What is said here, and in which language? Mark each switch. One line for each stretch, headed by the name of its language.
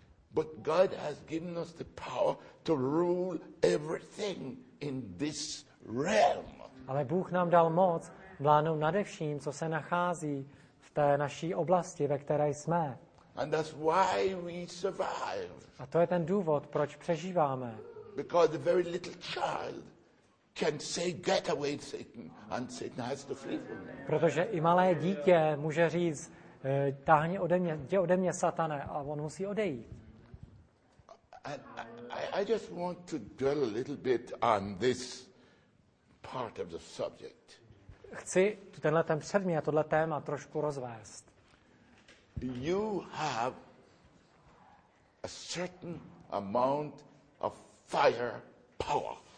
English: But God has given us the power to rule everything in this realm.
Czech: Ale Bůh nám dal moc vládnout nade vším, co se nachází v té naší oblasti, ve které jsme.
English: And that's why we survive.
Czech: A to je ten důvod, proč přežíváme.
English: Because a very little child can say get away Satan and Satan has to flee from him.
Czech: Protože i malé dítě může říct táhni ode mě, jdi ode mě Satane a on musí odejít.
English: I just want to dwell a little bit on this part of the subject.
Czech: Chci tenhle ten předmět, tohle téma trošku rozvést.
English: You have a certain amount of fire power.